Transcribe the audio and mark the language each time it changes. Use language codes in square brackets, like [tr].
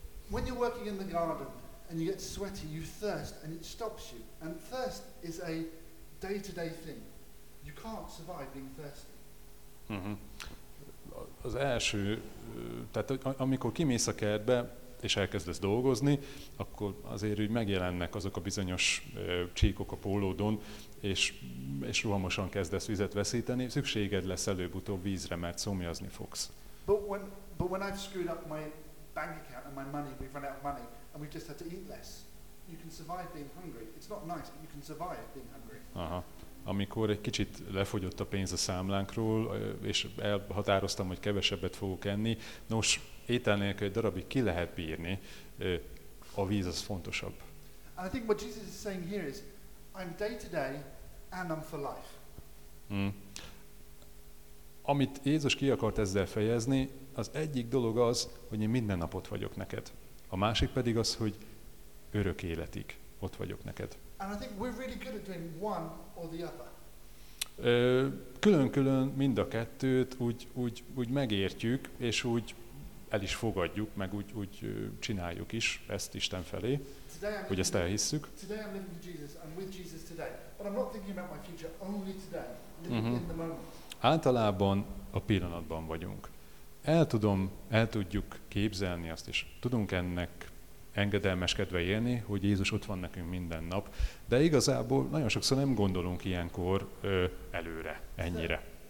[en] When you're working in the garden and you get sweaty, you thirst and it stops you. And thirst is a day-to-day thing. You can't survive being thirsty. Mm-hmm. [hu] Az első, tehát amikor kimész a kertbe és elkezdesz dolgozni, akkor azért úgy megjelennek azok a bizonyos csíkok a pólódon, és rohamosan kezdesz vizet veszíteni. Szükséged lesz előbb-utóbb vízre, mert szomjazni fogsz. [en] But when I've screwed up my bank account and my money, we've run out of money and we've just had to eat less. You can survive being hungry. It's not nice, but you can survive being hungry. Aha. [hu] amikor egy kicsit lefogyott a pénz a számlánkról, és elhatároztam, hogy kevesebbet fogok enni. Nos, étel nélkül egy darabig ki lehet bírni, a víz az fontosabb. [en] And I think what Jesus is saying here is, I'm day to day and I'm for life. [hu] Amit Jézus ki akart ezzel fejezni, az egyik dolog az, hogy én minden napot vagyok neked. A másik pedig az, hogy örök életig ott vagyok neked. [en] And I think we're really good at doing one or the other. [hu] Külön-külön mind a kettőt úgy megértjük, és úgy el is fogadjuk, meg úgy csináljuk is ezt Isten felé, hogy ezt elhisszük. [en] Today I'm living with Jesus, I'm with Jesus today. But I'm not thinking about my future only today, living in the moment. [hu] Általában a pillanatban vagyunk. El tudjuk képzelni azt, és tudunk ennek engedelmeskedve élni, hogy Jézus ott van nekünk minden nap, de igazából nagyon sokszor nem gondolunk ilyenkor előre, ennyire.